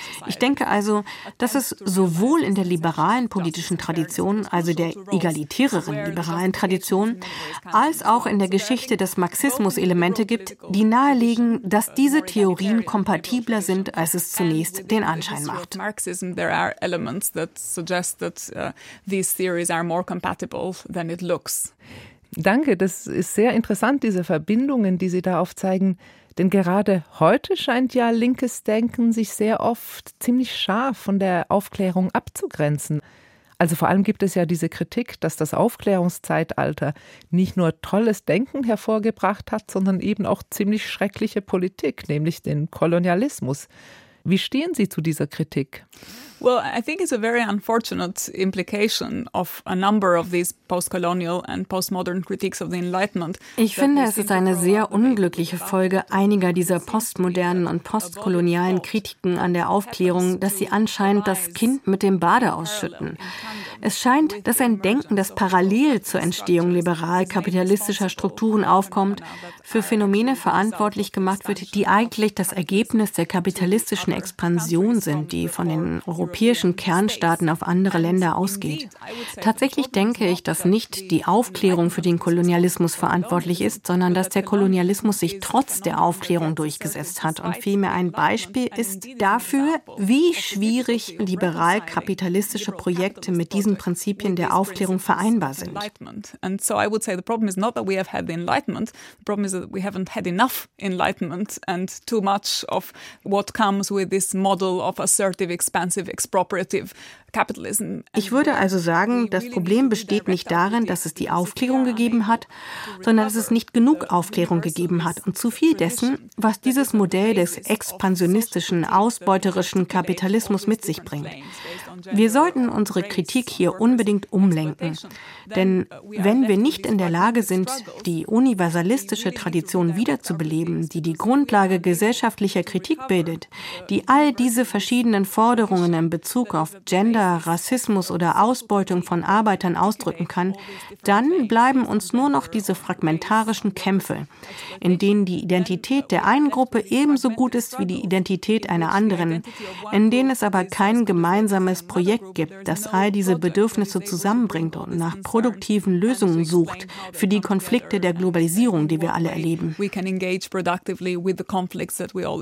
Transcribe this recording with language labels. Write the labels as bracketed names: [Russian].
[German] Ich denke also, dass es sowohl in der liberalen politischen Tradition, also der egalitäreren liberalen Tradition, als auch in der Geschichte des Marxismus Elemente gibt, die nahelegen, dass diese Theorien kompatibler sind, als es zunächst den Anschein macht. [English] Marxism, there are elements that suggest that these theories are more compatible than it looks. [German] Danke, das ist sehr interessant, diese Verbindungen, die Sie da aufzeigen. Denn gerade heute scheint ja linkes Denken sich sehr oft ziemlich scharf von der Aufklärung abzugrenzen. Also vor allem gibt es ja diese Kritik, dass das Aufklärungszeitalter nicht nur tolles Denken hervorgebracht hat, sondern eben auch ziemlich schreckliche Politik, nämlich den Kolonialismus. Wie stehen Sie zu dieser Kritik? [English] Well, I think it's a very unfortunate implication of a number of these postcolonial and postmodern critiques of the Enlightenment. [German] Ich finde, es ist eine sehr unglückliche Folge einiger dieser postmodernen und postkolonialen Kritiken an der Aufklärung, dass sie anscheinend das Kind mit dem Bade ausschütten. Es scheint, dass ein Denken, das parallel zur Entstehung liberal-kapitalistischer Strukturen aufkommt, für Phänomene verantwortlich gemacht wird, die eigentlich das Ergebnis der kapitalistischen Expansion sind, die von den europäischen Kernstaaten auf andere Länder ausgeht. Tatsächlich denke ich, dass nicht die Aufklärung für den Kolonialismus verantwortlich ist, sondern dass der Kolonialismus sich trotz der Aufklärung durchgesetzt hat und vielmehr ein Beispiel ist dafür, wie schwierig liberal-kapitalistische Projekte mit diesen Prinzipien der Aufklärung vereinbar sind. [English] And so I would say the problem is not that we have had the Enlightenment, the problem is that we haven't had enough Enlightenment and too much of what comes with this model of assertive expansion. [German] Ich würde also sagen, das Problem besteht nicht darin, dass es die Aufklärung gegeben hat, sondern dass es nicht genug Aufklärung gegeben hat und zu viel dessen, was dieses Modell des expansionistischen, ausbeuterischen Kapitalismus mit sich bringt. Wir sollten unsere Kritik hier unbedingt umlenken. Denn wenn wir nicht in der Lage sind, die universalistische Tradition wiederzubeleben, die die Grundlage gesellschaftlicher Kritik bildet, die all diese verschiedenen Forderungen in Bezug auf Gender, Rassismus oder Ausbeutung von Arbeitern ausdrücken kann, dann bleiben uns nur noch diese fragmentarischen Kämpfe, in denen die Identität der einen Gruppe ebenso gut ist wie die Identität einer anderen, in denen es aber kein gemeinsames Projekt gibt, das all diese Bedürfnisse zusammenbringt und nach produktiven Lösungen sucht für die Konflikte der Globalisierung, die wir alle erleben. [English] We can engage productively with the conflicts that we all